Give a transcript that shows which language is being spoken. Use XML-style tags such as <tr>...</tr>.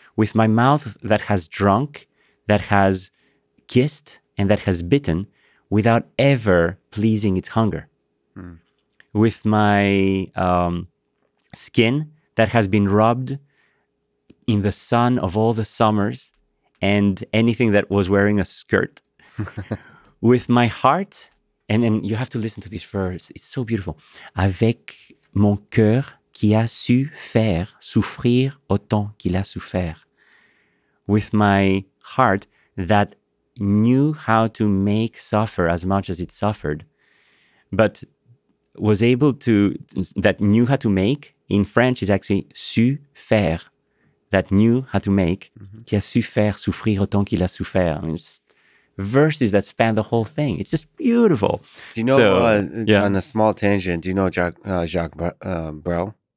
<en>With my mouth that has drunk, that has kissed, and that has bitten without ever pleasing its hunger. Mm. With my skin that has been rubbed in the sun of all the summers and anything that was wearing a skirt. With my heart, and then you have to listen to this verse. It's so beautiful.</en> <fr>Avec mon cœur qui a su faire souffrir autant qu'il a souffert.</fr> <en>With my heart that knew how to make suffer as much as it suffered, but was able to, that knew how to make, in French is actually</en> <fr>su faire,</fr> <en>that knew how to make, mm-hmm.</en> <fr>qui a su faire souffrir autant qu'il a souffert.</fr> <en>I mean, it's just verses that span the whole thing. It's just beautiful. Do you know, on a small tangent, do you know Jacques Brel?</en>